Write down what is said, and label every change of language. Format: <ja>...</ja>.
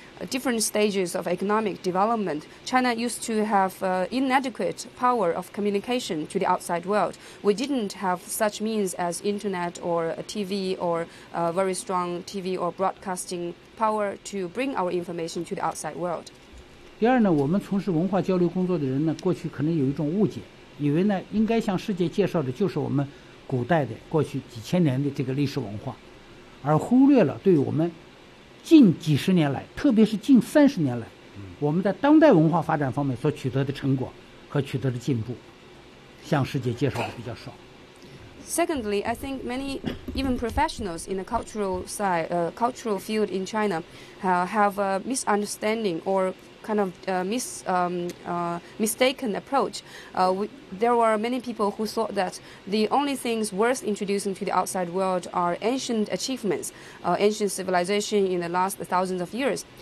<en>Different stages of economic development, China used to have inadequate power of communication to the outside world. We didn't have such means as internet or TV or very strong TV or broadcasting power to bring our information to the outside world.</en> <zh>第二呢，我们从事文化交流工作的人呢，过去可能有一种误解，以为呢应该向世界介绍的就是我们古代的过去几千年的这个历史文化，而忽略了对我们 近几十年来，特别是近三十年来，我们在当代文化发展方面所取得的成果和取得的进步，向世界介绍的比较少。</zh> <en>Secondly, I think many even professionals in the cultural side, cultural field in China, have a misunderstanding or kind of mistaken approach. There were many people who thought that the only things worth introducing to the outside world are ancient achievements, ancient civilization in the last thousands of years.</en>